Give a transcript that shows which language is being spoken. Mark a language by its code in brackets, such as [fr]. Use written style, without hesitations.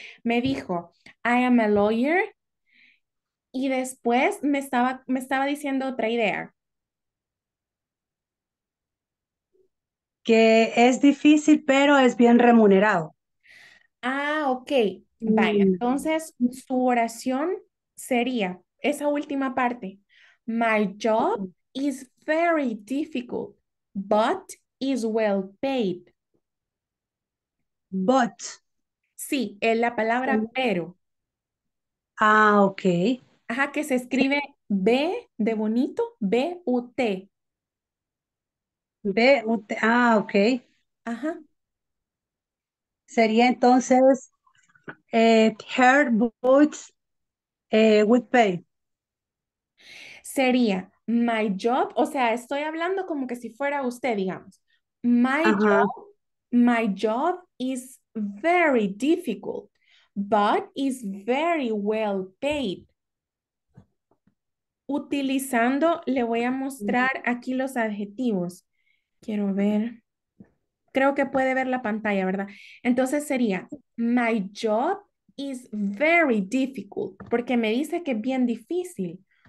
[es] Me dijo, [en] I am a lawyer, [es] y después me estaba diciendo otra idea. Que es difícil, pero es bien remunerado. Ah, ok. Vaya, entonces su oración sería esa última parte. [en] My job is very difficult, but is well paid. But. [es] Sí, es la palabra pero. Ah, ok. Ajá, que se escribe B de bonito, B-U-T. B-U-T, ah, ok. Ajá. Sería entonces, [en] her boots would pay. [es] Sería [en] my job, [es] o sea, estoy hablando como que si fuera usted, digamos. [en] My job is very difficult, but is very well paid. [es] Utilizando, le voy a mostrar aquí los adjetivos. Quiero ver. Creo que puede ver la pantalla, ¿verdad? Entonces sería, [en] my job is very difficult, [es] porque me dice que es bien difícil.